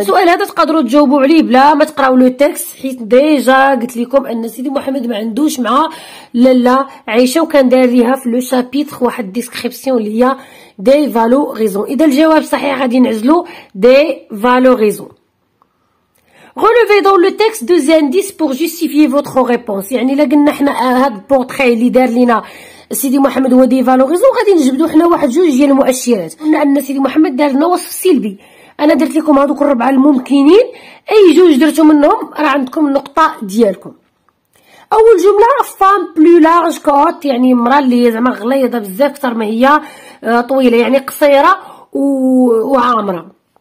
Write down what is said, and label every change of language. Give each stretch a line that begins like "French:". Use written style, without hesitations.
Arabic: السؤال هذا تقدروا تجاوبوا عليه بلا ما تقراوا لو تيكست، حيت ديجا قلت لكم ان سيدي محمد ما عندوش مع لالا عيشه، وكان دار ليها في لو شابيتر واحد ديسكريبسيون اللي هي دي فالو غيزون. اذا الجواب صحيح غادي نعزلوا دي فالو غيزون.
French: Relevez dans le texte deux indices pour justifier votre réponse.
Arabic: يعني لقينا حنا هاد البورتخي اللي دار لينا سيدي محمد هو دي فالوريزون، غادي نجبدو حنا واحد جوج ديال المؤشرات. قلنا ان سيدي محمد دار لنا وصف سلبي، انا درت لكم هادوك الربعه الممكنين، اي جوج درتو منهم راه عندكم النقطه ديالكم. اول جمله فام بلو لارج كوت، يعني مرا اللي زعما غليظه بزاف اكثر ما هي طويله، يعني قصيره وعامره.